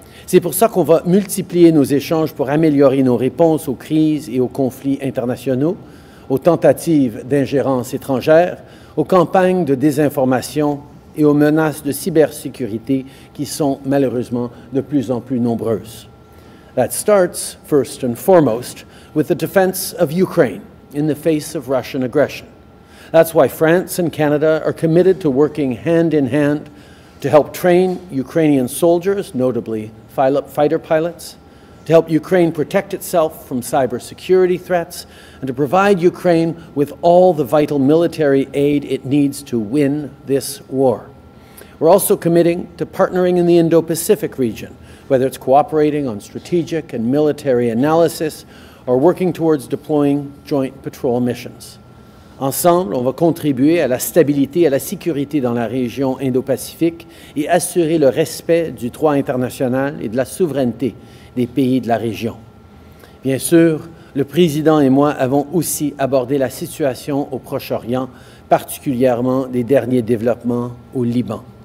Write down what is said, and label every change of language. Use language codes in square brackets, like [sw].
[fr] C'est pour ça qu'on va multiplier nos échanges pour améliorer nos réponses aux crises et aux conflits internationaux, aux tentatives d'ingérence étrangère, aux campagnes de désinformation et aux menaces de cybersécurité qui sont malheureusement de plus en plus nombreuses. [en] That starts, first and foremost, with the defense of Ukraine in the face of Russian aggression. That's why France and Canada are committed to working hand in hand to help train Ukrainian soldiers, notably fighter pilots, to help Ukraine protect itself from cybersecurity threats, and to provide Ukraine with all the vital military aid it needs to win this war. We're also committing to partnering in the Indo-Pacific region, whether it's cooperating on strategic and military analysis or working towards deploying joint patrol missions. [fr] Ensemble, on va contribuer à la stabilité et à la sécurité dans la région Indo-Pacifique et assurer le respect du droit international et de la souveraineté des pays de la région. Bien sûr, le président et moi avons aussi abordé la situation au Proche-Orient, particulièrement des derniers développements au Liban.